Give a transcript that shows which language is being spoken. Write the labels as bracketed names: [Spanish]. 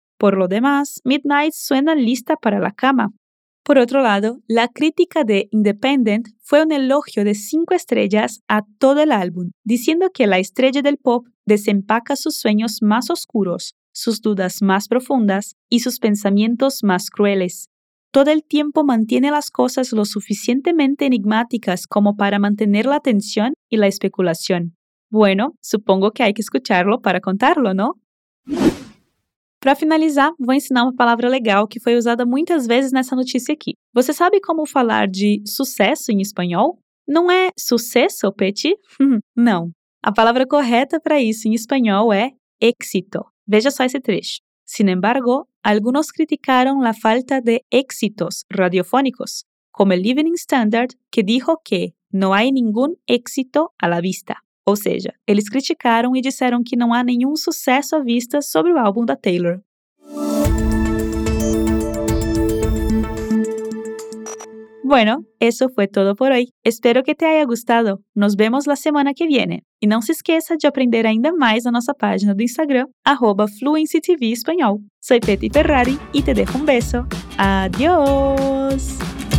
[Spanish] Por lo demás, Midnight suena lista para la cama. Por otro lado, la crítica de Independent fue un elogio de 5 estrellas a todo el álbum, diciendo que la estrella del pop desempaca sus sueños más oscuros, sus dudas más profundas y sus pensamientos más crueles. Todo el tiempo mantiene las cosas lo suficientemente enigmáticas como para mantener la atención y la especulación. Bueno, supongo que hay que escucharlo para contarlo, ¿no? [Portuguese] Para finalizar, vou ensinar uma palavra legal que foi usada muitas vezes nessa notícia aqui. Você sabe como falar de sucesso em espanhol? Não é sucesso, Peti? Não. A palavra correta para isso em espanhol é éxito. Veja só esse trecho. [Spanish] Sin embargo, algunos criticaron la falta de éxitos radiofónicos, como el Evening Standard, que dijo que no hay ningún éxito a la vista. [Portuguese] Ou seja, eles criticaram e disseram que não há nenhum sucesso à vista sobre o álbum da Taylor. [Spanish] Bueno, eso fue todo por hoy. Espero que te haya gustado. Nos vemos la semana que viene. [Portuguese] E não se esqueça de aprender ainda mais na nossa página do Instagram, @fluencytvespanhol. [Spanish] Soy Peti Ferrari e te dejo un beso. Adiós!